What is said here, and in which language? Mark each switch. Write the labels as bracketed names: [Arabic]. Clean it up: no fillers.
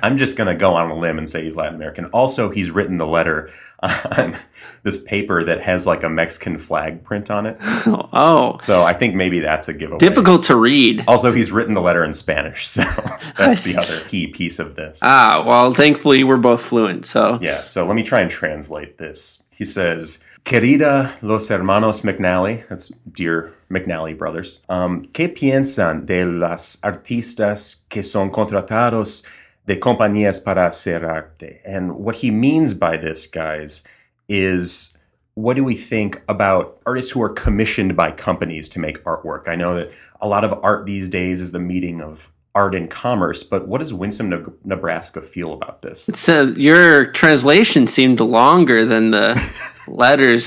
[English] I'm just going to go on a limb and say he's Latin American. Also, he's written the letter on this paper that has like a Mexican flag print on it. Oh. So I think maybe that's a giveaway. Difficult to read. Also, he's written the letter in Spanish. So that's the other key piece of this. Ah, well, thankfully we're both fluent. So yeah. So let me try and translate this. He says, [Spanish] querida los hermanos McNally, [English] that's dear McNally brothers, [Spanish] ¿qué piensan de las artistas que son contratados de compañías para hacer arte? [English] And what he means by this, guys, is what do we think about artists who are commissioned by companies to make artwork? I know that a lot of art these days is the meeting of art and commerce, but what does Winsome, Nebraska feel about this? So your translation seemed longer than the letters.